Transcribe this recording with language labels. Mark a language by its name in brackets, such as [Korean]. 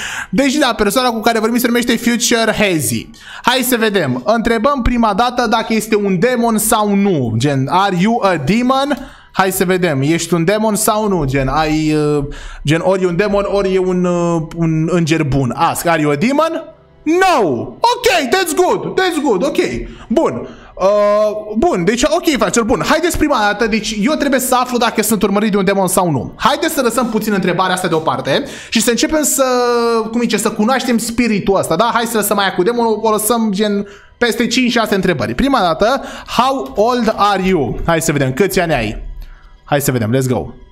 [Romanian] Deci, da, persoana cu care vorbim se numește Future Hazi. Hai să vedem. Întrebăm prima dată dacă este un demon sau nu. Gen, [English] are you a demon? [Romanian] Hai să vedem, ești un demon sau nu? Gen, ai, gen, ori e un demon, ori e un înger bun. [English] Ask, are you a demon? No! Ok, that's good, that's good, ok. [Romanian] Bun. Bun, deci ok, fraților, bun. Haideți prima dată, deci eu trebuie să aflu dacă sunt urmărit de un demon sau nu. Haideți să lăsăm puțin întrebarea asta deoparte și să începem să, cum zice, să cunoaștem spiritul ăsta, da? Hai să lăsăm aia cu demonul, o lăsăm gen peste 5-6 întrebări. Prima dată, [English] how old are you? [Romanian] Hai să vedem, câți ani ai? Hai să vedem, [English] let's go.